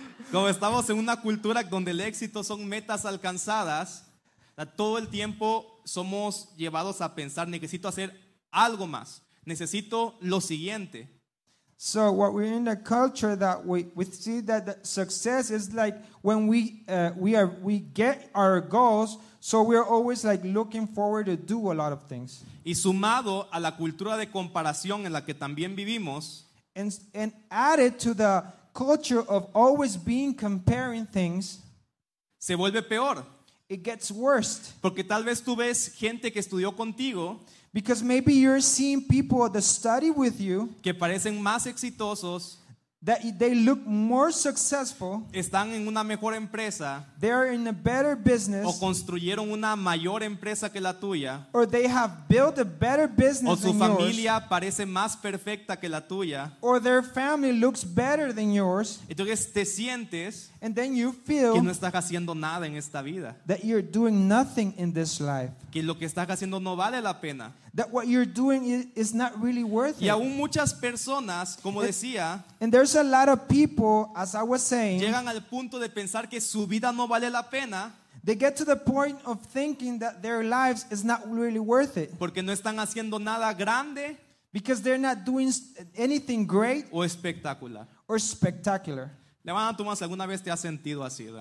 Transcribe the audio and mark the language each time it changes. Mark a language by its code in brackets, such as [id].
[es] Como estamos en una cultura donde el éxito son metas alcanzadas, todo el tiempo somos llevados a pensar, necesito hacer algo más, necesito lo siguiente. [en] So what we're in a culture that we see that the success is like when we get our goals, so we're always like looking forward to do a lot of things. [es] Y sumado a la cultura de comparación en la que también vivimos, [en] and added to the culture of always being comparing things, [es] se vuelve peor. [en] It gets worse. [es] Porque tal vez tú ves gente que estudió contigo, [en] because maybe you're seeing people that study with you, [es] que parecen más exitosos, [en] that they look more successful, [es] están en una mejor empresa, [en] they are in a better business, [es] o construyeron una mayor empresa que la tuya, [en] or they have built a better business, [es] o su familia [en] than yours, [es] parece más perfecta que la tuya, [en] or their family looks better than yours. [es] Entonces te sientes, [en] and then you feel, [es] que no estás haciendo nada en esta vida, [en] that you're doing nothing in this life, [es] que lo que estás haciendo no vale la pena, [en] that what you're doing is not really worth [es] it. Y aún muchas personas, como decía, [en] and there's a lot of people, as I was saying, [es] llegan al punto de pensar que su vida no vale la pena. [en] They get to the point of thinking that their lives is not really worth it. [es] Porque no están haciendo nada grande. [en] Because they're not doing anything great [es] o espectacular. [en] Or spectacular. [es] Levanta tu mano si alguna vez te has sentido así.